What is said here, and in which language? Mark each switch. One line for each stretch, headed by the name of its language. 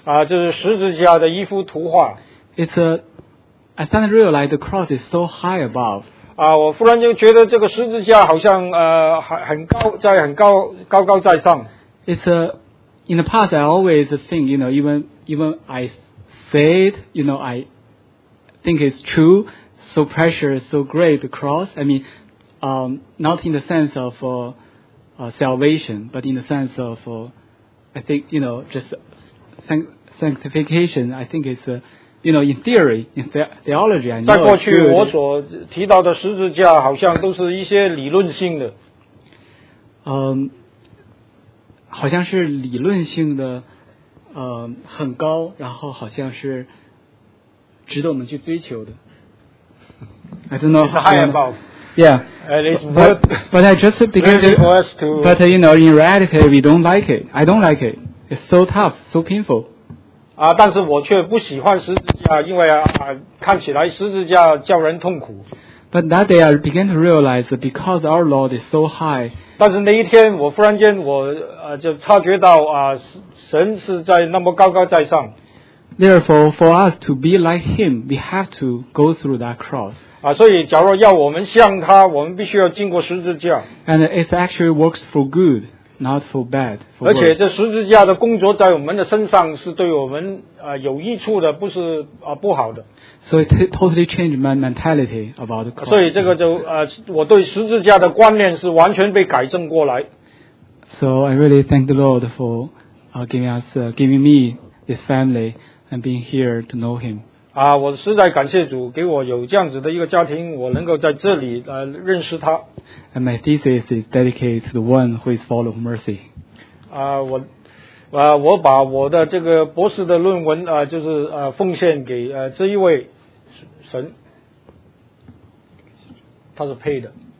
Chinese: 就是十字架的一幅图画。
English: I suddenly realized the cross is so high above.
Chinese: 我忽然就觉得这个十字架好像很高，在很高，高高在上。
English: It's in the past I always think, you know, even I say it, you know, I think it's true, so precious, so great the cross. I mean, not in the sense of salvation, but in the sense of, I think, you know, just sanctification, I think it's, you know, in theory, in theology, I know.
Chinese: 在过去，我所提到的十字架好像都是一些理论性的。好像是理论性的，很高，然后好像是值得我们去追求的。
English: I don't know. It's high above. Yeah. And it's worth. But I just because. For us to. But you know, in reality, we don't like it. I don't like it. It's so tough, so painful.
Chinese: 但是我却不喜欢十字架，因为看起来十字架叫人痛苦。
English: But that day I began to realize because our Lord is so high.
Chinese: 但是那一天我忽然间我就察觉到神是在那么高高在上。
English: Therefore, for us to be like Him, we have to go through that cross.
Chinese: 所以假如要我们像他，我们必须要经过十字架。
English: And it actually works for good. not for bad.
Chinese: 而且这十字架的工作在我们的身上是对我们有益处的，不是不好的。
English: So it totally changed my mentality about the cross.
Chinese: 所以这个就我对十字架的观念是完全被改正过来。
English: So I really thank the Lord for giving me this family and being here to know Him.
Chinese: 我实在感谢主给我有这样子的一个家庭，我能够在这里认识他。
English: And my thesis is dedicated to the one who is full of mercy.
Chinese: 我把我的这个博士的论文就是奉献给这一位神，他是配的。